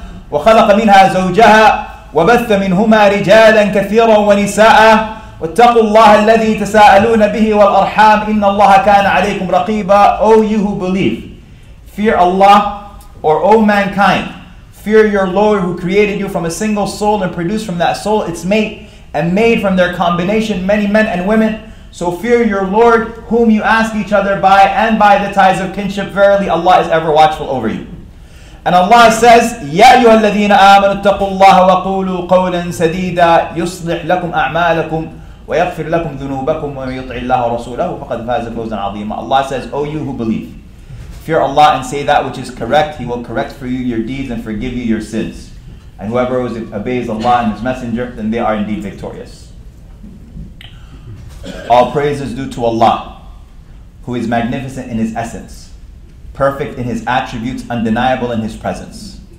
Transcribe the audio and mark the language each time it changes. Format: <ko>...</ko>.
<ar>وَخَلَقَ مِنْهَا زَوْجَهَا وَبَثَّ مِنْهُمَا رِجَالًا كَثِيرًا وَنِسَاءً وَاتَّقُوا اللَّهَ الَّذِي تَسَاءَلُونَ بِهِ وَالْأَرْحَامَ إِنَّ اللَّهَ كَانَ عَلَيْكُمْ رَقِيبًا</ar> <en>O you who believe, fear Allah or O mankind, Fear your Lord who created you from a single soul and produced from that soul its mate and made from their combination many men and women. So fear your Lord whom you ask each other by and by the ties of kinship. Verily Allah is ever watchful over you. And Allah says,</en> <ar>يَا أَيُّهَا الَّذِينَ آمَنُوا اتَّقُوا اللَّهَ وَقُولُوا قَوْلًا سَدِيدًا يُصْلِحْ لَكُمْ أَعْمَالَكُمْ وَيَغْفِرْ لَكُمْ ذُنُوبَكُمْ وَيُطْعِ اللَّهُ رَسُولَهُ فَقَدْ فَازَ فَوْزًا عَظِيمًا</ar> <en>Allah says, O you who believe. Fear Allah and say that which is correct. He will correct for you your deeds and forgive you your sins. And whoever obeys Allah and His Messenger, then they are indeed victorious. All praise is due to Allah, who is magnificent in His essence, perfect in His attributes, undeniable in His presence.</en>